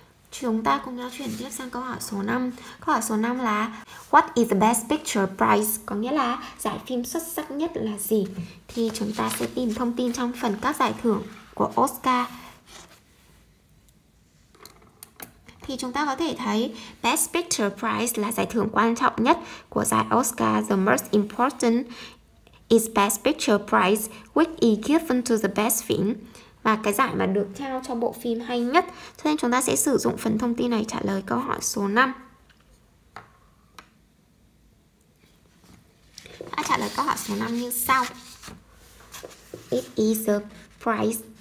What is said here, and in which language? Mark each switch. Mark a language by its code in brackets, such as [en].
[vi] Chúng ta cùng nhau chuyển tiếp sang câu hỏi số 5. Câu hỏi số 5 là [en] What is the best picture prize? [vi] Có nghĩa là giải phim xuất sắc nhất là gì? Thì chúng ta sẽ tìm thông tin trong phần các giải thưởng của Oscar. Thì chúng ta có thể thấy Best Picture Prize là giải thưởng quan trọng nhất của giải Oscar. [en] The most important is Best Picture Prize, which is given to the best film. [vi] Và cái giải mà được trao cho bộ phim hay nhất. Cho nên chúng ta sẽ sử dụng phần thông tin này trả lời câu hỏi số 5. Đã trả lời câu hỏi số 5 như sau. [en] It is a prize.